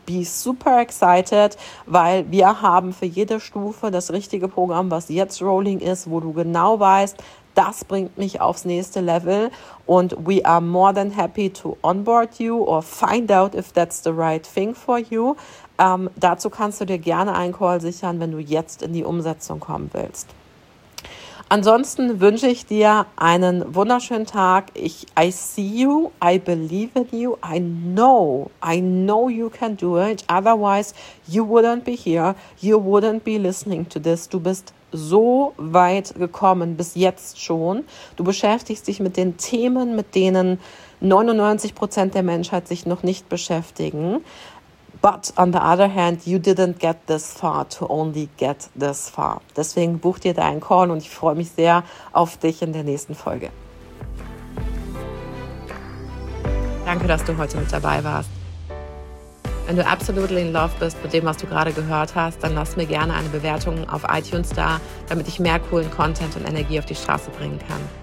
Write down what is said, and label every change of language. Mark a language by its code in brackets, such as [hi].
[en] Be super excited, [de] weil wir haben für jede Stufe das richtige Programm, was jetzt rolling ist, wo du genau weißt, das bringt mich aufs nächste Level und [en] we are more than happy to onboard you or find out if that's the right thing for you. [de] Dazu kannst du dir gerne einen Call sichern, wenn du jetzt in die Umsetzung kommen willst. Ansonsten wünsche ich dir einen wunderschönen Tag. [en] I see you, I believe in you, I know you can do it. Otherwise, you wouldn't be here, you wouldn't be listening to this. [de] Du bist so weit gekommen, bis jetzt schon. Du beschäftigst dich mit den Themen, mit denen 99% der Menschheit sich noch nicht beschäftigen. [en] But on the other hand, you didn't get this far to only get this far. [de] Deswegen buch dir deinen Call und ich freue mich sehr auf dich in der nächsten Folge. Danke, dass du heute mit dabei warst. Wenn du absolutely in love bist mit dem, was du gerade gehört hast, dann lass mir gerne eine Bewertung auf iTunes da, damit ich mehr coolen Content und Energie auf die Straße bringen kann.